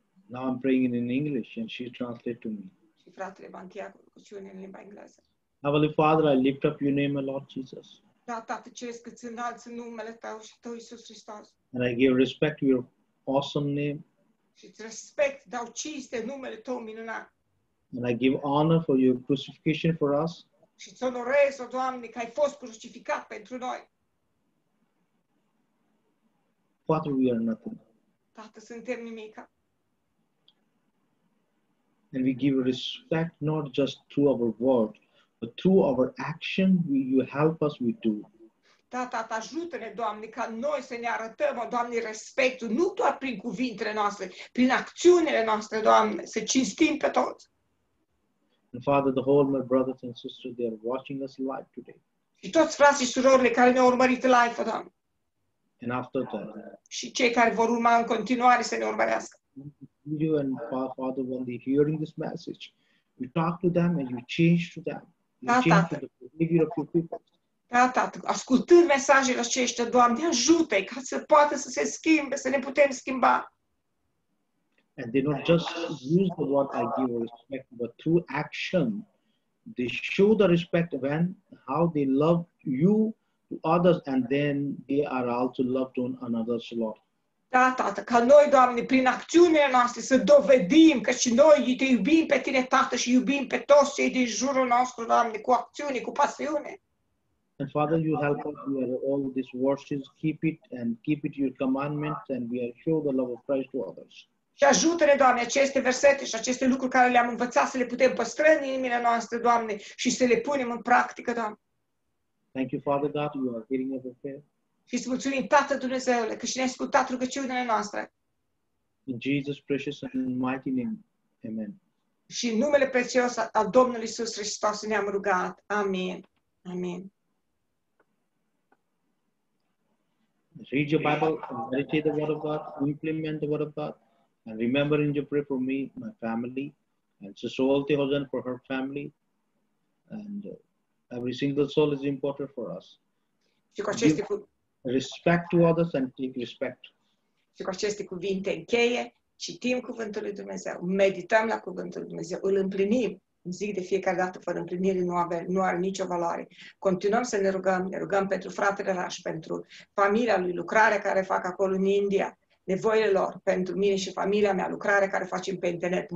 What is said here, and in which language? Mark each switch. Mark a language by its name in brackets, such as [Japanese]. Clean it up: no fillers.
[English] Now I'm praying in English and she translated to me. [Romanian] Și fratele m-a încheiat cu rugăciune în limba engleză. [English] Heavenly Father, I lift up Your name, Lord Jesus. [Romanian] Da, Tată Ceresc, îți înalți numele Tău și Tău, Iisus Hristos. [English] And I give respect to Your awesome name. [Romanian] Și îți respect, dau cinste numele Tău minunat. [English] And I give honor for Your crucifixion for us. [Romanian] Și ți-o onorez, o Doamne, că ai fost crucificat pentru noi. [English] Father, we are nothing. [Romanian] Tată, suntem nimica. [English] And we give respect not just through our word, but through our action, you help us, we do. [Romanian] Tată, ajută-ne, Doamne, ca noi să ne arătăm, o Doamne, respectul, nu doar prin cuvintele noastre, prin acțiunile noastre, Doamne, să cinstim pe toți. [English] And Father, the whole my brothers and sisters, they are watching us live today. [Romanian] Și toți frații și surorile care ne-au urmărit live, Doamne. [English] And after that, [Romanian] și cei care vor urma în continuare să ne urmărească. [English] You and Father, when they're hearing this message, you talk to them and you change to them. You change to the behavior of your people. [Romanian] Da, Tată, ascultând mesajele aceștia, Doamne, ajută-i ca să poată să se schimbe, să ne putem schimba. [English] And they don't just use the word I give respect, but through action, they show the respect when how they love you to others, and then they are also loved on another's Lord. [Romanian] Da, Tată, ca noi, Doamne, prin acțiunile noastre să dovedim că și noi te iubim pe Tine, Tată, și iubim pe toți cei din jurul nostru, Doamne, cu acțiune, cu pasiune. [English] And Father, you help us with all these verses, keep it and keep it your commandments, and we are show the love of Christ to others. [Romanian] Și ajută-ne, Doamne, aceste versete și aceste lucruri care le-am învățat să le putem păstra în inimile noastre, Doamne, și să le punem în practică, Doamne. [English] Thank you, Father God, you are hearing our prayer. [Romanian] Și să mulțumim, Tată Dumnezeule, că și ne-ai ascultat rugăciunile noastre. [English] In Jesus' precious and mighty name, amen. [Romanian] Și în numele prețios al Domnului Iisus Hristos ne-am rugat. Amin. Amin. [English] Read your Bible, meditate the Word of God, implement the Word of God, and remember in your prayer for me, my family, and Sister Olti Hosan for her family, and every single soul is important for us. Give respect to others and take respect. [Romanian] Și cu aceste cuvinte încheie, citim Cuvântul lui Dumnezeu, medităm la Cuvântul lui Dumnezeu, îl împlinim. Zic de fiecare dată, fără împlinire, nu are nicio valoare. Continuăm să ne rugăm pentru fratele Raș, pentru familia lui, lucrarea care fac acolo în India, nevoile lor, pentru mine și familia mea, lucrarea care facem pe internet.